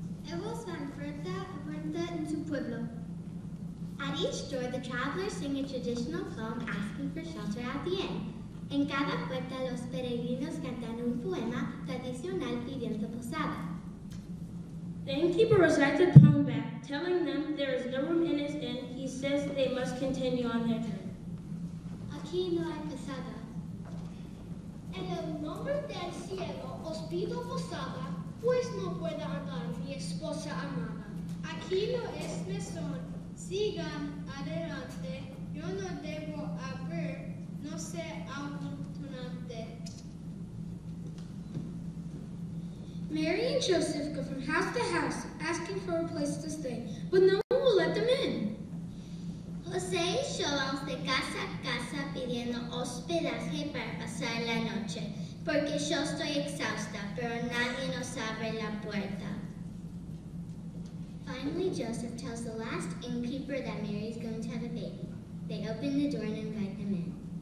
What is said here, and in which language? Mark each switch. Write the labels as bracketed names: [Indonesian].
[Spanish] Ellos van frente a frente en su pueblo. [English] At each door, the travelers sing a traditional poem asking for shelter at the inn. [Spanish] En cada puerta, los peregrinos cantan un poema tradicional pidiendo posada. [English] The innkeeper recites the poem back, telling them there is no room in his inn. He says they must continue on their journey. [Spanish] Aquí no hay posada. En el nombre del cielo, os pido posada, pues no puede andar mi esposa amada. Aquí no es mesón. Sigan adelante, yo no debo haber, no sé afortunante. [English] Mary and Joseph go from house to house, asking for a place to stay, but no one will let them in. [Spanish] José y yo vamos de casa a casa pidiendo hospedaje para pasar la noche, porque yo estoy exhausta, pero nadie nos abre la puerta. [English] Finally, Joseph tells the last innkeeper that Mary is going to have a baby. They open the door and invite them in.